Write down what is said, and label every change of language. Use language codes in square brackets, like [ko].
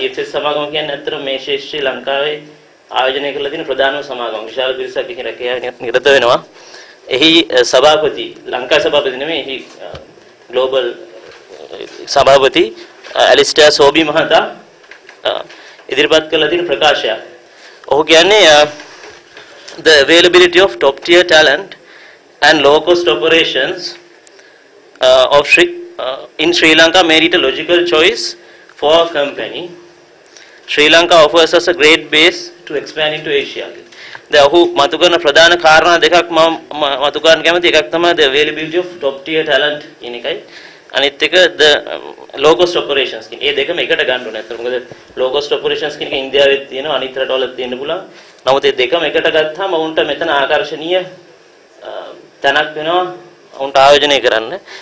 [si] IFS සමාගම කියන්නේ ඇත්තටම මේ ශ්‍රී ලංකාවේ ආයෝජනය කරලා තියෙන ප්‍රධානම සමාගම. විශාල පිරිසක් එහි රැකේ නිරත වෙනවා. එහි සභාපති ලංකා සභාපති නෙමෙයි, එහි ග්ලෝබල් සභාපති ඇලිස්ටර් සෝබි මහතා ඉදිරිපත් කළ තියෙන ප්‍රකාශය. ඔහු කියන්නේ [en] the availability of top tier talent and low cost operations of in Sri Lanka made it a logical choice for a company. Sri Lanka offers us a great base to expand into Asia. [si] ඔහු මතු කරන ප්‍රධාන කාරණා දෙකක් මම මතු කරන්න කැමතියි. එකක් තමයි [en] the availability of top tier talent [si] කියන එකයි, අනිත් එක [en] the low cost operations [si] කියන. ඒ දෙකම එකට ගන්න ඕනේ. අතන මොකද [en] low cost operations [si] කියන එක ඉන්දියාවේ තියෙනවා, අනිත් රටවලත් තියෙන්න පුළුවන්. නමුත් ඒ දෙකම එකට ගත්තාම ඔවුන්ට මෙතන ආකර්ෂණීය තැනක් වෙනවා ඔවුන්ට ආයෝජනය කරන්න.